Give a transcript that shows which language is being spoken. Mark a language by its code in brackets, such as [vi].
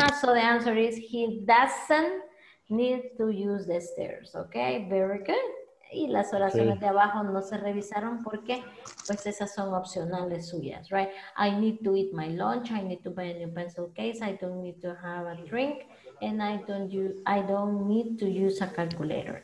[en] So the answer is, he doesn't need to use the stairs, ¿ok? Very good. [es] Y las oraciones de abajo no se revisaron porque pues esas son opcionales suyas, right? [en] I need to eat my lunch, I need to buy a new pencil case, I don't need to have a drink, and I don't need to use a calculator.